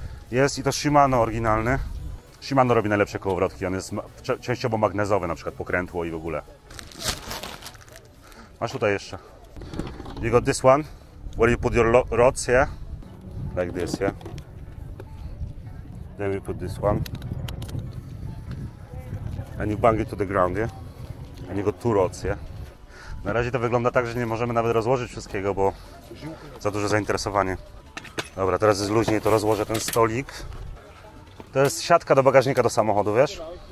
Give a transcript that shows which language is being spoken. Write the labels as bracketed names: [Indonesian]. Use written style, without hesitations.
[Polish] Jest i to Shimano oryginalny. Shimano robi najlepsze kołowrotki. On jest częściowo magnezowy, na przykład pokrętło i w ogóle. Masz tutaj jeszcze. [English] You got this one, where you put your rods, yeah? Like this, yeah? Then you put this one. And you bang it to the ground, yeah? And you got two rods, yeah? [Polish] Na razie to wygląda tak, że nie możemy nawet rozłożyć wszystkiego, bo za duże zainteresowanie. Dobra, teraz jest luźniej, to rozłożę ten stolik. To jest siatka do bagażnika do samochodu, wiesz?